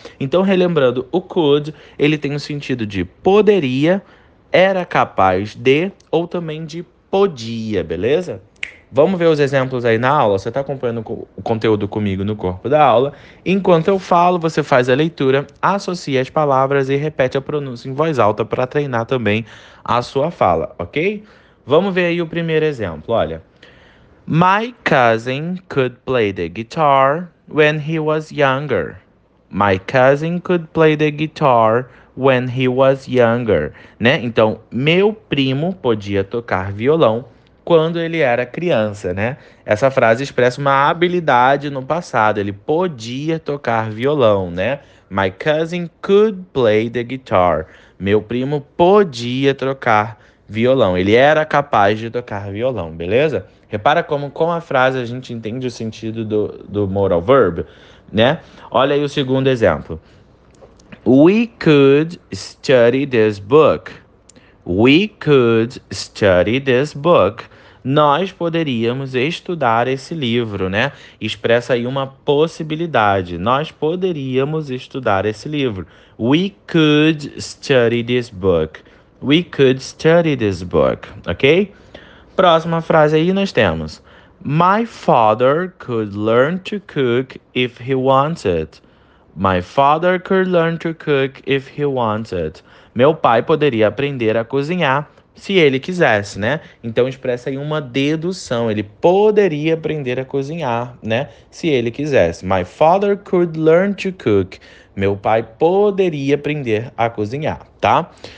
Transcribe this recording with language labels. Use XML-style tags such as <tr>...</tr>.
<pt>Então, relembrando, o could, ele tem o sentido de poderia, era capaz de, ou também de podia, beleza? Vamos ver os exemplos aí na aula? Você está acompanhando o conteúdo comigo no corpo da aula. Enquanto eu falo, você faz a leitura, associa as palavras e repete a pronúncia em voz alta para treinar também a sua fala, ok? Vamos ver aí o primeiro exemplo, olha.</pt> <en>My cousin could play the guitar when he was younger. My cousin could play the guitar when he was younger.</en> <pt>Né? Então, meu primo podia tocar violão quando ele era criança, né? Essa frase expressa uma habilidade no passado. Ele podia tocar violão, né?</pt> <en>My cousin could play the guitar.</en> <pt>Meu primo podia tocar violão. Ele era capaz de tocar violão, beleza? Repara como com a frase a gente entende o sentido do modal verb, né? Olha aí o segundo exemplo.</pt> <en>We could study this book. We could study this book.</en> <pt>Nós poderíamos estudar esse livro, né? Expressa aí uma possibilidade. Nós poderíamos estudar esse livro.</pt> <en>We could study this book. We could study this book, ok?</en> <pt>Próxima frase aí nós temos:</pt> <en>My father could learn to cook if he wanted. My father could learn to cook if he wanted.</en> <pt>Meu pai poderia aprender a cozinhar se ele quisesse, né? Então expressa aí uma dedução. Ele poderia aprender a cozinhar, né? Se ele quisesse.</pt> <en>My father could learn to cook.</en> <pt>Meu pai poderia aprender a cozinhar, tá?</pt>